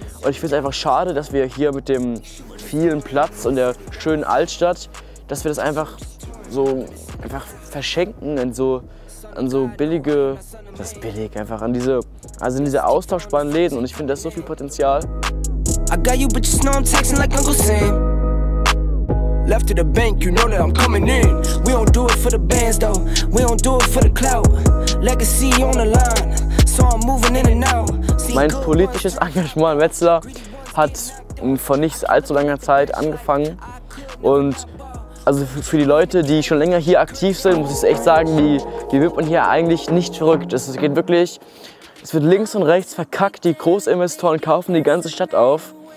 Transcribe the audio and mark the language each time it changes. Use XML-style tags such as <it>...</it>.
<de>Und ich finde es einfach schade, dass wir hier mit dem vielen Platz und der schönen Altstadt, dass wir das einfach so einfach verschenken an diese austauschbaren Läden. Und ich finde, da ist so viel Potenzial.</de> <en>I got you, but you know I'm texting like Uncle Sam. Left to the bank, you know that I'm coming in. We don't do it for the bands though, we don't do it for the clout. Legacy on the line, so I'm moving in and out.</en> <de>Mein politisches Engagement in Wetzlar hat vor nicht allzu langer Zeit angefangen. Und also für die Leute, die schon länger hier aktiv sind, muss ich echt sagen, die wird man hier eigentlich nicht verrückt. Es wird links und rechts verkackt, die Großinvestoren kaufen die ganze Stadt auf.</de>